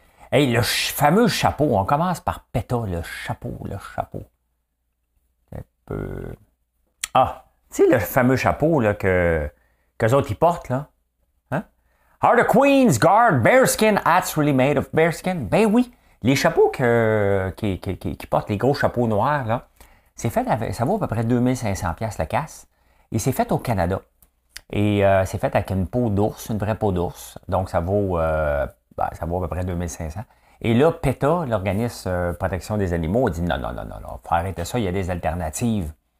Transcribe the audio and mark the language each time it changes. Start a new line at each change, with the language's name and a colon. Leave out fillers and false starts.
French: Hey, le fameux chapeau. On commence par PETA, le chapeau. Un peu. Ah, tu sais, le fameux chapeau là, qu'eux autres y portent, là.
English: Are the Queen's Guard Bearskin Hats really made of bearskin?
French: Ben oui, les chapeaux qui portent, les gros chapeaux noirs, là, c'est fait avec, ça vaut à peu près 2 500 $ la casse. Et c'est fait au Canada. Et c'est fait avec une peau d'ours, une vraie peau d'ours. Donc, ça vaut à peu près 2 500. Et là, PETA, l'organisme protection des animaux, a dit non, non, non, non, non, il faut arrêter ça, il y a des alternatives.